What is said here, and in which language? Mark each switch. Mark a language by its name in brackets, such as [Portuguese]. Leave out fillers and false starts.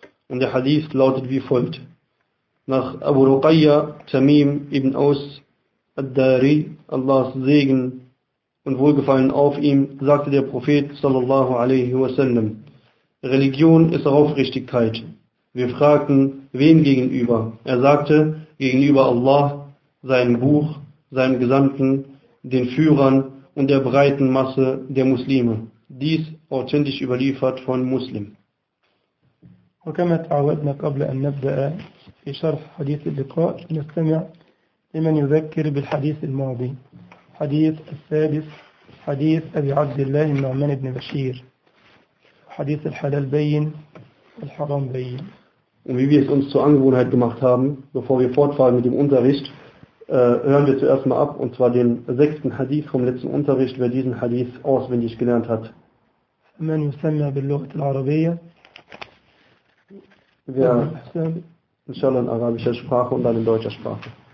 [German] Und der Hadith lautet wie folgt. Nach Abu Ruqayya Tamim ibn Aus ad-Dari, Allahs Segen und Wohlgefallen auf ihm, sagte der Prophet sallallahu alaihi wasallam: Religion ist Aufrichtigkeit. Wir fragten: Wem gegenüber? Er sagte: Gegenüber Allah, seinem Buch, seinem Gesandten, den Führern und der breiten Masse der Muslime. Dies authentisch überliefert von Muslim. [Arabic] وكما تعودنا قبل أن نبدأ في شرح حديث اللقاء، نستمع لمن يذكر بالحديث الماضي، حديث السادس، حديث أبي عبد الله النعمان بن بشير، حديث الحلال بين الحرام بين. [German] Und wie wir es uns zur Angewohnheit gemacht haben, bevor wir fortfahren mit dem Unterricht, hören wir zuerst mal ab, und zwar den sechsten Hadith vom letzten Unterricht, wer diesen Hadith auswendig gelernt hat. [Arabic] من يسمى باللغة العربية. [German] Wer inshallah in arabischer Sprache und dann in deutscher Sprache.